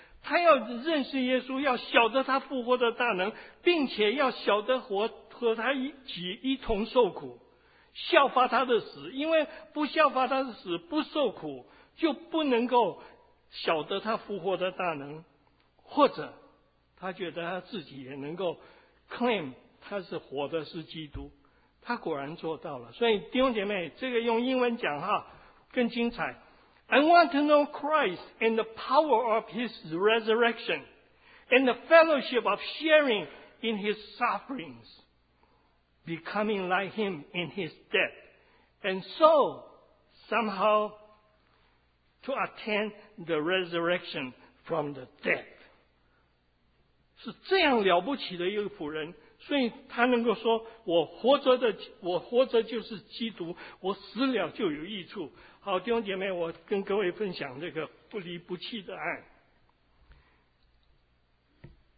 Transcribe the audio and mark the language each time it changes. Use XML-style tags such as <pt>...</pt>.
<zh>他要认识耶稣，要晓得他复活的大能，并且要晓得和他一起一同受苦，效法他的死，因为不效法他的死，不受苦，就不能够晓得他复活的大能。或者他觉得他自己也能够 claim 他是活的是基督，他果然做到了。所以弟兄姐妹，这个用英文讲哈更精彩，</zh> <en>I want to know Christ and the power of his resurrection and the fellowship of sharing in his sufferings, becoming like him in his death, and so somehow to attain the resurrection from the dead。</en> <zh>是这样了不起的一个仆人，所以他能够说，我活着就是基督，我死了就有益处。好，弟兄姐妹，我跟各位分享这个不离不弃的爱。</zh>